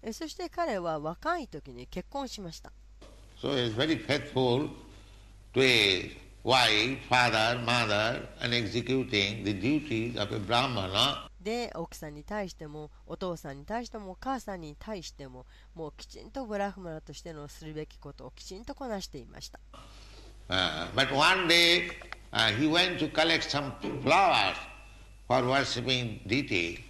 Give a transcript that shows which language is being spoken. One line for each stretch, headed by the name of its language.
Japanese: そして彼は若い時に結婚しました。
English: So he was very faithful to his wife, father, mother, and executing the duties of a Brahmana.
Japanese: で、奥さんに対してもお父さんに対してもお母さんに対しても、もうきちんとブラフマナとしてのするべきことをきちんとこなしていました。
English: But one day, he went to collect some flowers for worshiping deity.